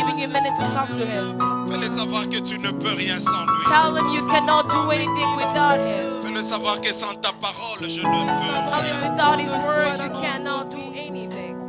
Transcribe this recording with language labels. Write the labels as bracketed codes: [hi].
[fr] Fais-le savoir que tu ne peux rien sans lui. [en] Tell him you cannot do anything without him. [fr] Fais-le savoir que sans ta parole, je ne peux rien. [en] Tell him without his word, you cannot do anything.